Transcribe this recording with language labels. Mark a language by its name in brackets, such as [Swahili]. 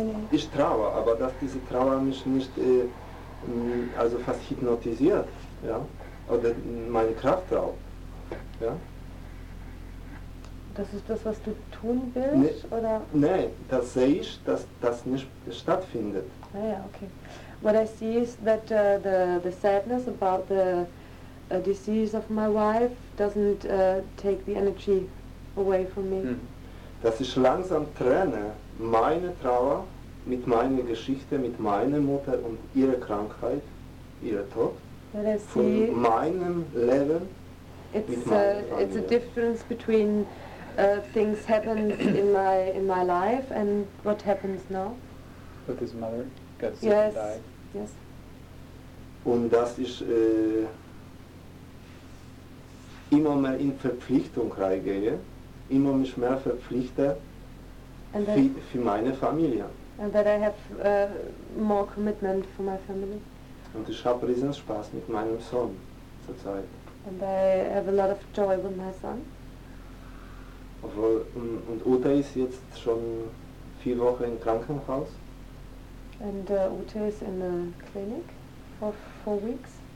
[German] Ich traue, aber dass diese Trauer mich nicht also fast hypnotisiert, ja, oder meine Kraft raubt, ja. Das ist das, was du tun willst, nee, oder? Nein, das sehe ich, dass das nicht stattfindet. Ah ja, okay. [English] What I see is that the sadness about the disease of my wife doesn't take the energy away from me. [German] Dass ich langsam trenne meine Trauer mit meiner Geschichte, mit meiner Mutter und ihrer Krankheit, ihrer Tod, von meinem Leben. [English] It's a difference between things happened in my life and what happens now. With his mother, got sick, yes, and died. Yes. [German] Und dass ich immer mehr in Verpflichtung reingehe, immer mich mehr verpflichte für meine Familie. [English] And that I have more commitment for my family. [German] Und ich habe riesen Spaß mit meinem Sohn zurzeit. [English] And I have a lot of joy with my son. [German] Obwohl, und Ute ist jetzt schon 4 Wochen im Krankenhaus. [English] And Ute is in a clinic for 4 weeks.